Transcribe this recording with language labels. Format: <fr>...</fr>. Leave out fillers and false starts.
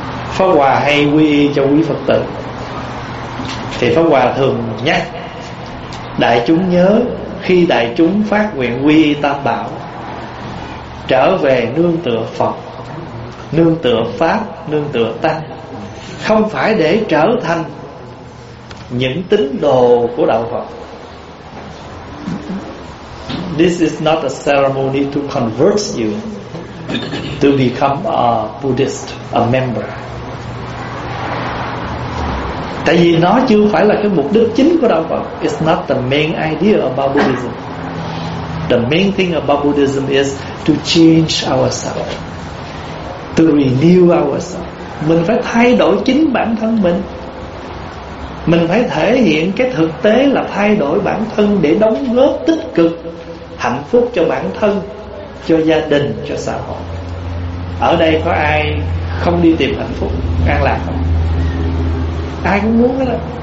<vi>Pháp Hòa hay quy y cho quý Phật tử, thì Pháp Hòa thường nhắc đại chúng nhớ, khi đại chúng phát nguyện quy y Tam Bảo, trở về nương tựa Phật, nương tựa Pháp, nương tựa Tăng, không phải để trở thành những tín đồ của đạo Phật.</vi> <en>This is not a ceremony to convert you to become a Buddhist, a member.</en> <vi>Tại vì nó chưa phải là cái mục đích chính của đạo Phật.</vi> <en>It's not the main idea about Buddhism. The main thing about Buddhism is to change ourselves, to renew ourselves.</en> <vi>Mình phải thay đổi chính bản thân mình. Mình phải thể hiện cái thực tế là thay đổi bản thân để đóng góp tích cực, hạnh phúc cho bản thân, cho gia đình, cho xã hội. Ở đây có ai không đi tìm hạnh phúc, an lạc không? Ai cũng muốn đó.</vi>